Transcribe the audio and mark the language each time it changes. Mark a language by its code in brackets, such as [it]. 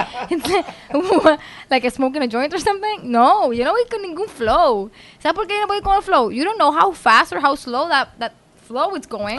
[en] it's like smoking a joint or something? [es] No, yo no voy con ningún flow. ¿Sabes por qué yo no voy con el flow? [en] You don't know how fast or how slow that flow is going.